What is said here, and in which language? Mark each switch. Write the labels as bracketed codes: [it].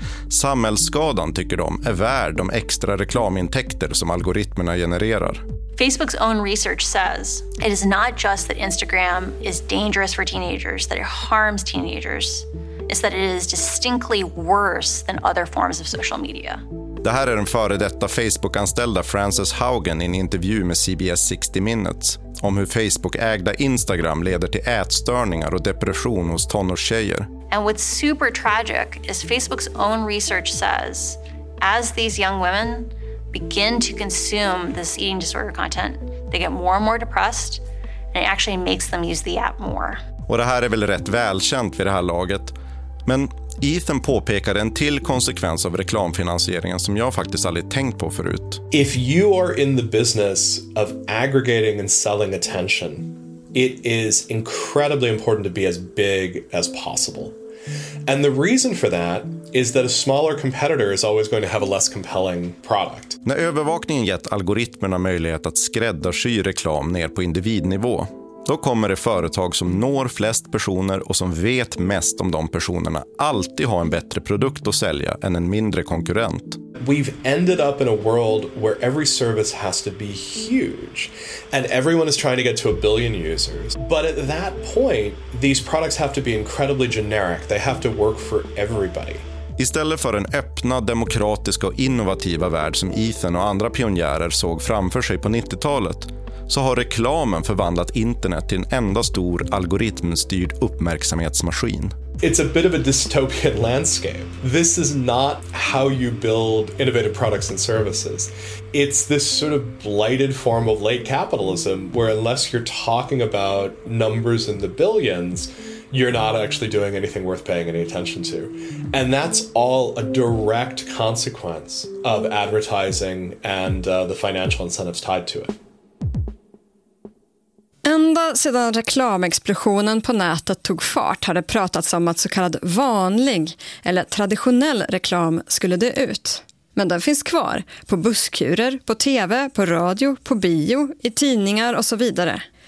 [sv] Samhällsskadan, tycker de, är värd de extra reklamintäkter som algoritmerna genererar. [en] Facebook's own research says it is not just that Instagram is dangerous for teenagers, that it harms teenagers, is that it is distinctly worse than other forms of social media. [sv] Det här är den före detta Facebook-anställda Frances Haugen i en intervju med CBS 60 Minutes om hur Facebook-ägda Instagram leder till ätstörningar och depression hos tonårstjejer. [en] And what's super tragic is Facebook's own research says as these young women begin to consume this eating disorder content, they get more and more depressed and it actually makes them use the app more. [sv] Och det här är väl rätt välkänt vid det här laget. Men Ethan påpekar en till konsekvens av reklamfinansieringen som jag faktiskt aldrig tänkt på förut. [en] If you are in the business of aggregating and selling attention, it is incredibly important to be as big as possible. And the reason for that is that a smaller competitor is always going to have a less compelling product. [sv] När övervakningen gett algoritmerna möjlighet att skräddarsy reklam ner på individnivå, då kommer det företag som når flest personer och som vet mest om de personerna alltid ha en bättre produkt att sälja än en mindre konkurrent. [en] We've ended up in a world where every service has to be huge and everyone is trying to get to a billion users. But at that point, these products have to be incredibly generic. They have to work for everybody. [sv] Istället för den öppna, demokratiska och innovativa värld som Ethan och andra pionjärer såg framför sig på 90-talet, så har reklamen förvandlat internet till en enda stor algoritmstyrd uppmärksamhetsmaskin. [en] It's a bit of a dystopian landscape. This is not how you build innovative products and services. It's this sort of blighted form of late capitalism where unless you're talking about numbers in the billions, you're not actually doing anything worth paying any attention to. And that's all a direct consequence of advertising and the financial incentives tied to it. [sv] Ända sedan reklamexplosionen på nätet tog fart hade pratats om att så kallad vanlig eller traditionell reklam skulle dö ut. Men den finns kvar på busskurer, på tv, på radio, på bio, i tidningar och så vidare.